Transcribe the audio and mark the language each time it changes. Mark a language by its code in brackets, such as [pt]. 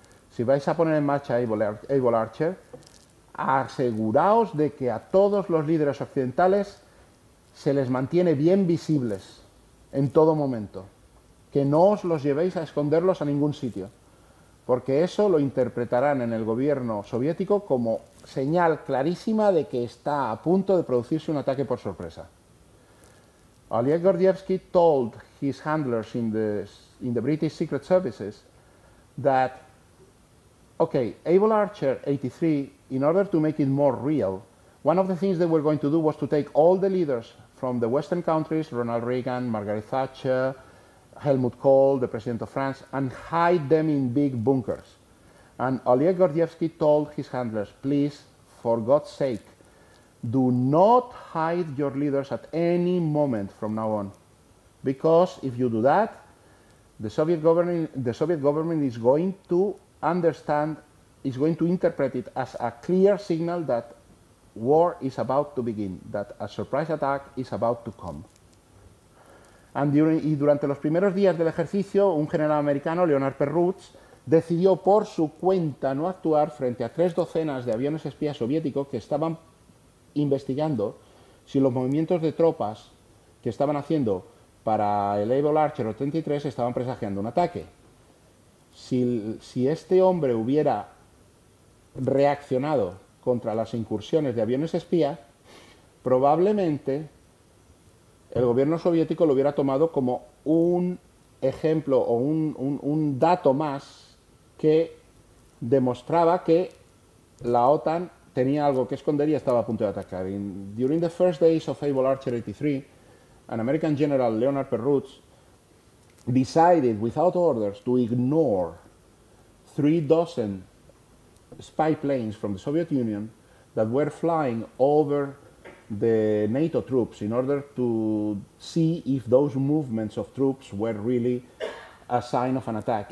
[es] Si vais a poner en marcha Able Archer, aseguraos de que a todos los líderes occidentales se les mantiene bien visibles en todo momento. Que no os los llevéis a esconderlos a ningún sitio. Porque eso lo interpretarán en el gobierno soviético como señal clarísima de que está a punto de producirse un ataque por sorpresa. [en] Oleg Gordievsky told his handlers in the British Secret Services that, okay, Able Archer 83, in order to make it more real, one of the things they were going to do was to take all the leaders from the Western countries, Ronald Reagan, Margaret Thatcher, Helmut Kohl, the President of France, and hide them in big bunkers. And Oleg Gordievsky told his handlers, please, for God's sake, do not hide your leaders at any moment from now on. Because if you do that, the Soviet government is going to understand, is going to interpret it as a clear signal that war is about to begin, that a surprise attack is about to come. [es] Y durante los primeros días del ejercicio, un general americano, Leonard Perrutz, decidió por su cuenta no actuar frente a 3 docenas de aviones espías soviéticos que estaban investigando si los movimientos de tropas que estaban haciendo para el Able Archer 83 estaban presagiando un ataque. Si este hombre hubiera reaccionado contra las incursiones de aviones espía, probablemente el gobierno soviético lo hubiera tomado como un ejemplo o un dato más que demostraba que la OTAN tenía algo que esconder y estaba a punto de atacar. [en] During the first days of Able Archer 83, an American general, Leonard Perrutz, decided without orders to ignore 3 dozen spy planes from the Soviet Union that were flying over the NATO troops in order to see if those movements of troops were really a sign of an attack.